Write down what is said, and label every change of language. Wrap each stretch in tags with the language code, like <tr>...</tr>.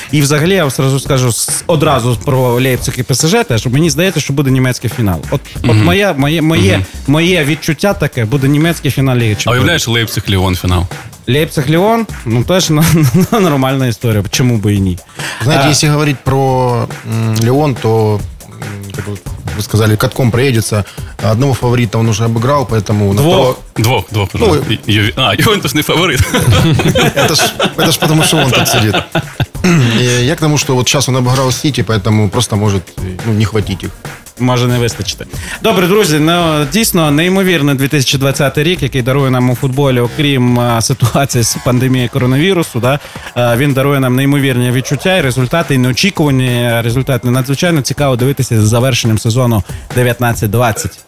<uk>І взагалі, я зразу скажу, одразу про Лейпциг і ПСЖ теж, мені здається, що буде німецький фінал. От, от моє відчуття таке, буде німецький фінал Ліги Чемпіонів. А уявляєш Лейпциг-Ліон фінал? Лейпциг-Ліон? Ну, теж нормальна історія. Чому би і ні? Знаєте, якщо говорити про Ліон, то...</uk> <ru>Вы сказали, катком проедется. Одного фаворита он уже обыграл, поэтому... Двух. Ювентус не фаворит. Это ж потому, что он тут сидит. Я к тому, что вот сейчас он обыграл Сити, поэтому просто может не хватить их.</ru> <uk>Може не вистачити. Добре, друзі, ну, дійсно, неймовірний 2020 рік, який дарує нам у футболі, окрім ситуації з пандемією коронавірусу, да, він дарує нам неймовірні відчуття і результати, і неочікувані результати. Надзвичайно цікаво дивитися з завершенням сезону 19-20.</uk>